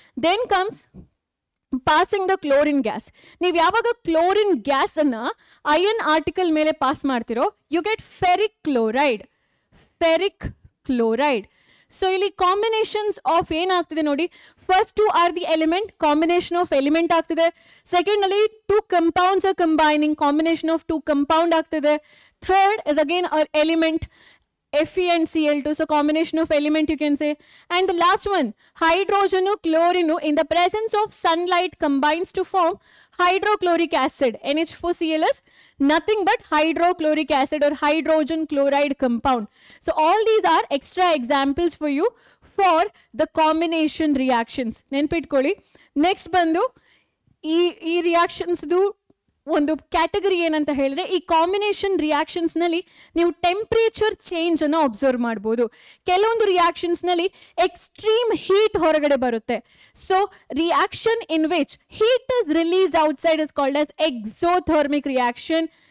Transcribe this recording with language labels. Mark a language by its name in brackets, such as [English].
[English] Then comes passing the chlorine gas. [Kannada] ನೀವು ಯಾವಾಗ chlorine ಗ್ಯಾಸನ್ನು ಐಯನ್ ಆರ್ಟಿಕಲ್ ಮೇಲೆ ಪಾಸ್ ಮಾಡ್ತಿರೋ, [English] You get ferric chloride. Ferric chloride. So ಇಲ್ಲಿ combinations of [Kannada] ಏನಾಗ್ತಿದೆ ನೋಡಿ, [English] First two are the element, combination of element ಆಗ್ತಿದೆ. ಸೆಕೆಂಡ್ನಲ್ಲಿ two compounds are combining, combination of two compound ಆಗ್ತಿದೆ. Third is again element, Fe and Cl2, so combination of element you can say. And the last one, hydrogen and chlorine in the presence of sunlight combines to form hydrochloric acid. NH4Cl is nothing but hydrochloric acid or hydrogen chloride compound. So all these are extra examples for you for the combination reactions. [Kannada] Nenpitkoli. Next bandu, ee reactions do ಒಂದು category ಏನಂತ ಹೇಳಿದ್ರೆ, ಈ combination ರಿಯಾಕ್ಷನ್ಸ್ನಲ್ಲಿ ನೀವು temperature change ಅನ್ನು observe ಮಾಡ್ಬೋದು. ಕೆಲವೊಂದು ರಿಯಾಕ್ಷನ್ಸ್ನಲ್ಲಿ extreme heat ಹೊರಗಡೆ ಬರುತ್ತೆ. [English] So reaction in which heat is released outside is called as exothermic reaction.